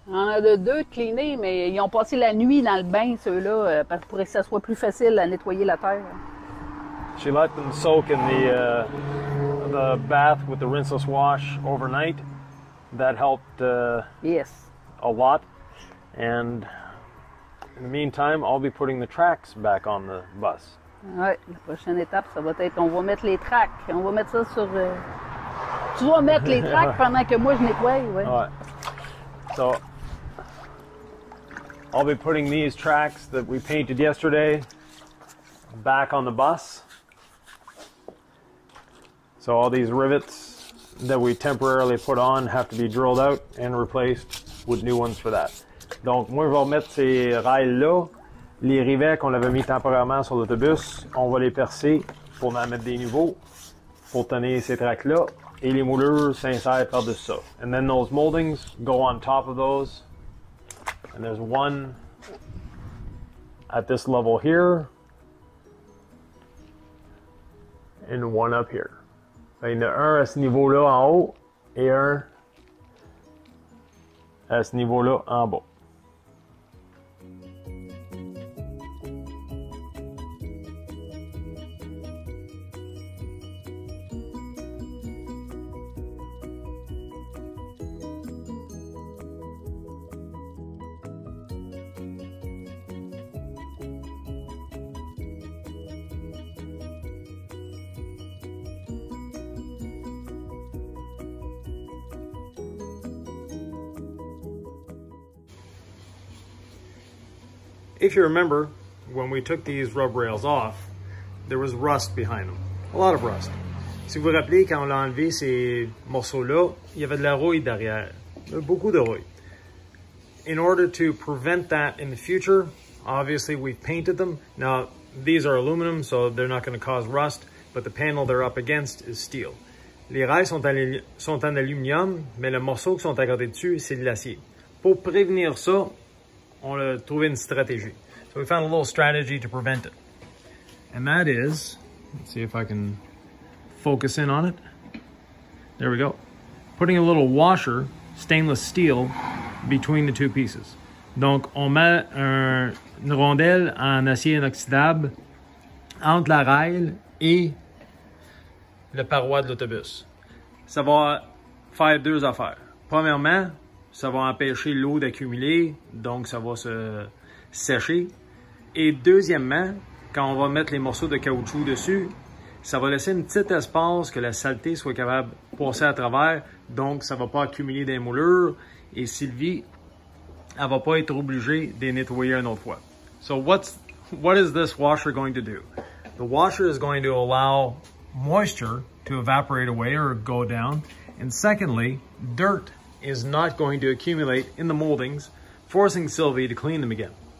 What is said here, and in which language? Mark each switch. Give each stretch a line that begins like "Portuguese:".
French: On a deux cleanés, mais ils ont passé la nuit dans le bain, ceux-là, pour que ça soit plus facile à nettoyer la terre.
English: She let them soak in the bath with the rinseless wash overnight. That helped yes. A lot. And in the meantime, I'll be putting the tracks back on the bus.
French: Ouais, la prochaine étape, ça va être, on va mettre les tracks. On va mettre ça sur... Tu vas mettre les tracks pendant que moi je nettoie, ouais. Ouais.
English: So, I'll be putting these tracks that we painted yesterday back on the bus. So all these rivets that we temporarily put on have to be drilled out and replaced with new ones for that.
French: Donc, moi, je vais remettre ces rails-là. Les rivets qu'on avait mis temporairement sur l'autobus, on va les percer pour en mettre des nouveaux pour tenir ces tracks-là. Et les moulures s'insèrent par-dessus ça.
English: And then those moldings go on top of those. And there's one at this level here. And one up here.
French: Il y en a un à ce niveau-là en haut et un à ce niveau-là en bas.
English: If you remember, when we took these rub rails off, there was rust behind them. A lot of rust.
French: Si vous vous rappelez, quand on l'a enlevé ces morceaux-là, il y avait de la rouille derrière. Beaucoup de rouille.
English: In order to prevent that in the future, obviously we've painted them. Now, these are aluminum, so they're not going to cause rust, but the panel they're up against is steel.
French: Les rails sont en aluminium, mais les morceaux qui sont accordés dessus, c'est de l'acier. Pour prévenir ça, on a trouvé une stratégie.
English: So we found a little strategy to prevent it. And that is, let's see if I can focus in on it. There we go. Putting a little washer, stainless steel, between the two pieces.
French: Donc, on met une rondelle en acier inoxydable entre la rail et la paroi de l'autobus. Ça va faire deux affaires. Premièrement, ça va empêcher l'eau d'accumuler, donc ça va se sécher. Et deuxièmement, quand on va mettre les morceaux de caoutchouc dessus, ça va laisser un petit espace que la saleté soit capable de passer à travers, donc ça va pas accumuler des moulures, et Sylvie, elle va pas être obligée de les nettoyer une autre fois.
English: So what is this washer going to do? The washer is going to allow moisture to evaporate away or go down, and secondly, dirt is not going to accumulate in the moldings, forcing Sylvie to clean them again.